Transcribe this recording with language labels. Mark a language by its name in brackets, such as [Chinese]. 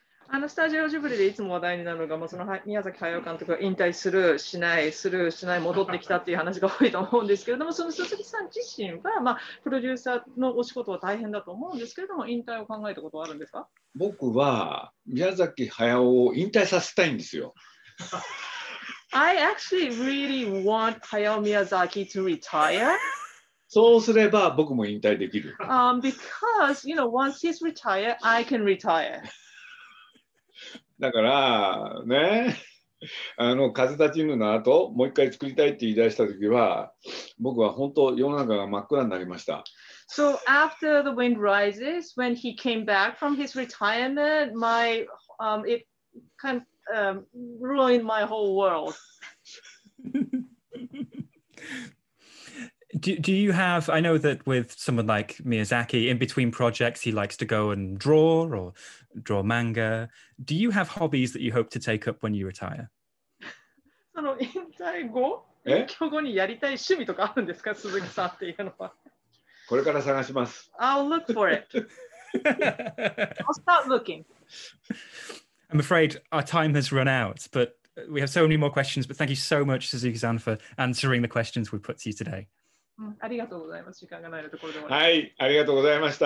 [Japanese] あのスタジオジブリでいつも話題になるのが、まあ、その宮崎駿監督が引退する、しない、する、しない、戻ってきたっていう話が多いと思うんですけれども、その鈴木さん自身は、まあ、プロデューサーのお仕事は大変だと思うんですけれども、引退を考えたことはあるんですか？僕は宮崎駿を引退させたいんですよ。 [English] I actually really want Hayao Miyazaki to retire. [Japanese] そうすれば僕も引退できる。 [English] Because, you know, once he's retired, I can retire. [Japanese] だからね、あの風立ちぬの後、もう一回作りたいって言い出した時は、僕は本当世の中が真っ暗になりました。 [English] So after The Wind Rises, when he came back from his retirement, my it kind of ruined my whole world. Do you have, I know that with someone like Miyazaki, in between projects, he likes to go and draw or draw manga. Do you have hobbies that you hope to take up when you retire? [Japanese] その引退後、勉強後にやりたい趣味とかあるんですか、鈴木さんっていうのは。これから探します。 [English] I'll look for it. I'll start looking. I'm afraid our time has run out, but we have so many more questions. But thank you so much, Suzuki-san, for answering the questions we put to you today. [Japanese] ありがとうございます。時間がないところで終わります。はい、ありがとうございました。